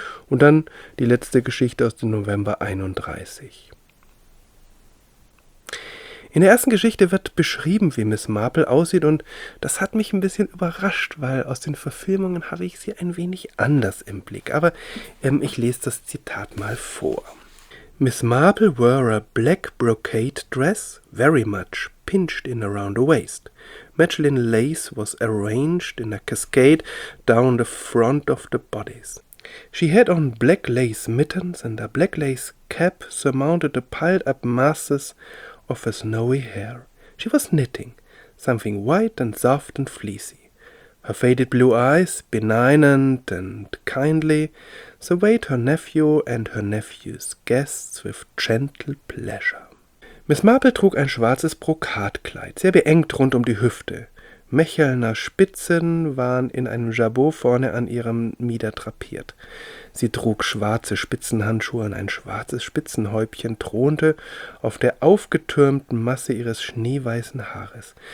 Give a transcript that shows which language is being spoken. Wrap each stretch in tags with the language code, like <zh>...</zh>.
<de>Und dann die letzte Geschichte aus dem November 31. In der ersten Geschichte wird beschrieben, wie Miss Marple aussieht und das hat mich ein bisschen überrascht, weil aus den Verfilmungen habe ich sie ein wenig anders im Blick. Aber ich lese das Zitat mal vor.</de> <en>Miss Marple wore a black brocade dress, very much pinched in around the waist. Mechlin lace was arranged in a cascade down the front of the bodice. She had on black lace mittens and a black lace cap surmounted the piled up masses of her snowy hair. She was knitting, something white and soft and fleecy. Her faded blue eyes, benignant and kindly, surveyed her nephew and her nephew's guests with gentle pleasure.</en> <de>Miss Marple trug ein schwarzes Brokatkleid, sehr beengt rund um die Hüfte. Mechelner Spitzen waren in einem Jabot vorne an ihrem Mieder drapiert. Sie trug schwarze Spitzenhandschuhe und ein schwarzes Spitzenhäubchen thronte auf der aufgetürmten Masse ihres schneeweißen Haares.</de>